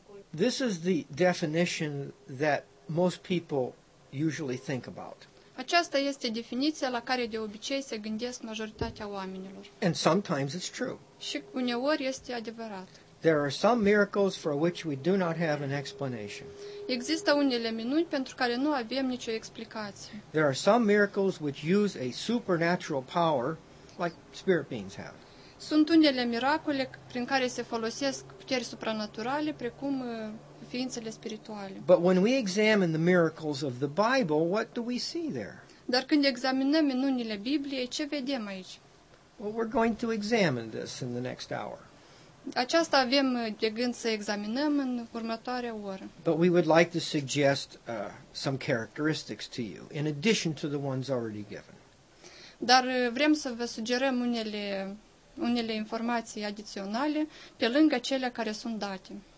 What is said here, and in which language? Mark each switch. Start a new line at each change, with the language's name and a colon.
English: This is the definition that most people usually think about.
Romanian: Aceasta este definiția la care de obicei se gândesc majoritatea oamenilor.
English: And sometimes it's true.
Romanian: Și uneori este adevărat.
English: There are some miracles for which we do not have an explanation.
Romanian: Există unele minuni pentru care nu avem nicio explicație.
English: There are some miracles which use a supernatural power like spirit beings have.
Romanian: Sunt unele miracole prin care se folosesc puteri supranaturale, precum ființele spirituale.
English: But when we examine the miracles of the Bible, what do we see there?
Romanian: Dar când examinăm minunile Bibliei, ce vedem aici?
English: Well, we're going to examine this in the next hour.
Romanian: Aceasta avem de gând să examinăm în următoarea oră.
English: But we would like to suggest some characteristics to you, in addition to the ones already given.
Romanian: Dar vrem să vă sugerăm unele informații adiționale pe lângă cele care sunt date.